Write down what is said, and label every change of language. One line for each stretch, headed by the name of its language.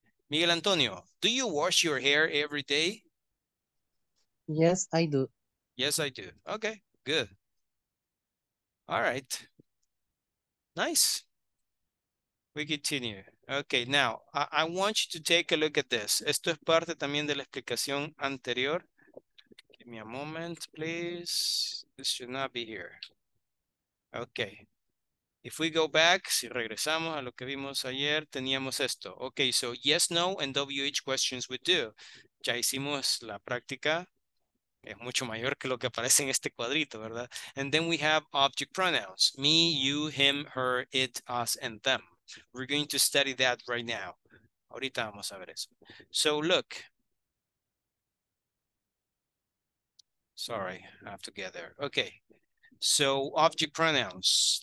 English: Miguel Antonio, do you wash your hair every day? Yes, I do. Yes, I do. Okay, good. All right. Nice. We continue. Okay, now, I want you to take a look at this.
Spanish: Esto es parte también de la explicación anterior.
English: Give me a moment, please. This should not be here. Okay. If we go back,
Spanish: si regresamos a lo que vimos ayer, teníamos esto.
English: Okay, so yes, no, and WH questions we do.
Spanish: Ya hicimos la práctica. Es mucho mayor que lo que aparece en este cuadrito, ¿verdad?
English: And then we have object pronouns. Me, you, him, her, it, us, and them. We're going to study that right now.
Spanish: Ahorita vamos a ver eso.
English: So look. Sorry, I have to get there. Okay. So object pronouns.